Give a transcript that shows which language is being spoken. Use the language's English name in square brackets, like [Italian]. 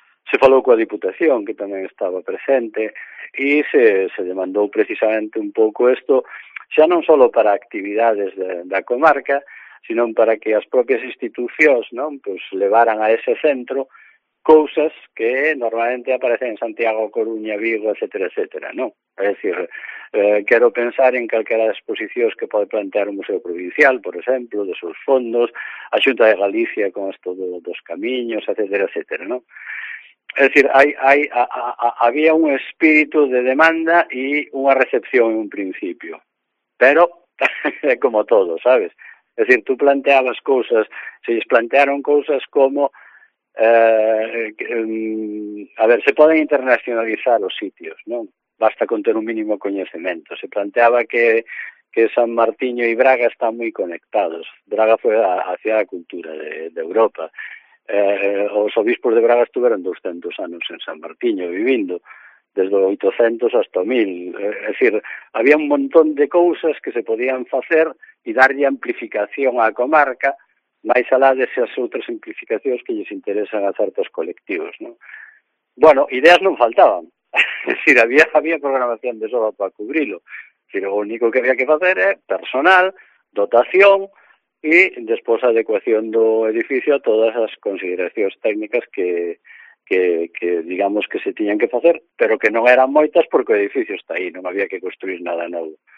[Galician] Se falou coa Diputación, que tamén estaba presente, e se demandou precisamente un pouco isto, xa non só para actividades da comarca, sino para que as propias institucións, non, pues, levaran a ese centro cousas que normalmente aparecen en Santiago, Coruña, Vigo, etcétera, etcétera, non? É dicir, quero pensar en calquera exposicións que pode plantear o Museo Provincial, por exemplo, de seus fondos, a Xunta de Galicia con esto dos camiños, etcétera, etcétera, non? [Spanish] Es decir, había un espíritu de demanda y una recepción en un principio. Pero, como todo, ¿sabes? [Galician] É dicir, tú planteabas cousas, se lles plantearon cousas como a ver, se poden internacionalizar os sitios, non? Basta con ter un mínimo coñecemento. Se planteaba que San Martiño e Braga están moi conectados. Braga foi a cidade da cultura de Europa. Os obispos de Braga estuveron 200 anos en San Martiño vivindo, desde 800 hasta 1000. É dicir, había un montón de cousas que se podían facer e darlle amplificación á comarca, máis alá desas outras amplificacións que lles interesan a certos colectivos, non? Bueno, ideas non faltaban. É dicir, había programación de sobra para cubrilo. Pero o único que había que facer é personal, dotación e despois a adecuación do edificio a todas as consideracións técnicas que digamos que se tiñan que facer, pero que non eran moitas porque o edificio está aí, non había que construir nada novo.